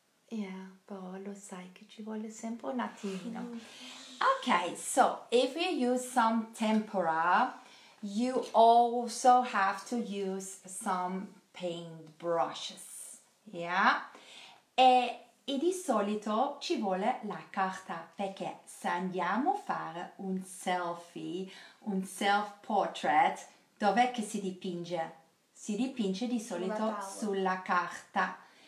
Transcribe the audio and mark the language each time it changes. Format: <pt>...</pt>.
<it>Yeah, però lo sai che ci vuole sempre un attimino.</it> <en>Okay, so if you use some tempera, you also have to use some paint brushes. Yeah?</en> <it>E di solito ci vuole la carta, perché se andiamo a fare un selfie, un self-portrait, dov'è che si dipinge? Si dipinge di solito sulla carta.</it>